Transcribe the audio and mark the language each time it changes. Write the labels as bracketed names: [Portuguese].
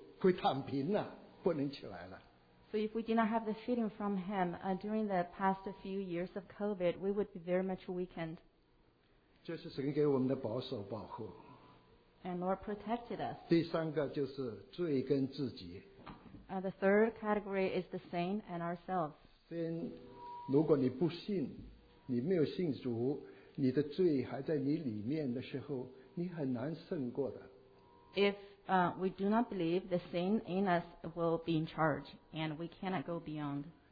[Chinese] 靠着祷告，靠着多方神给我们刚刚所做的这些医治，我们很多时候会躺平了，不能起来了。 [English] So if we did not have the feeding from Him during the past few years of COVID, we would be very much weakened. [Chinese] 这是神给我们的保守保护。 [English] And Lord protected us. [Chinese] 第三个就是罪跟自己。 [English] The third category is the sin and ourselves. [Chinese] 先，如果你不信，你没有信主。你的罪还在你里面的时候，你很难胜过的。 [English] If we do not believe, the sin in us will be in charge, and we cannot go beyond.